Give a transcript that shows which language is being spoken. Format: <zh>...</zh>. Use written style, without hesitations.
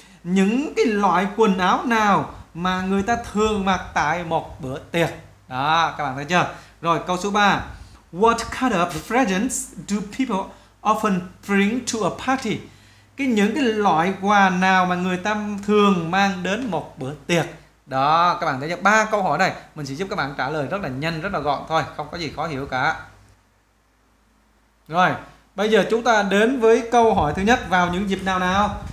<vi>Những cái loại quần áo nào mà người ta thường mặc tại một bữa tiệc? Đó, các bạn thấy chưa? Rồi, câu số 3.</vi> <en>What kind of presents do people often bring to a party?</en> <vi>Cái những cái loại quà nào mà người ta thường mang đến một bữa tiệc? Đó, các bạn thấy chưa? 3 câu hỏi này, mình chỉ giúp các bạn trả lời rất là nhanh, rất là gọn thôi, không có gì khó hiểu cả. Rồi, bây giờ chúng ta đến với câu hỏi thứ nhất, vào những dịp nào nào?</vi>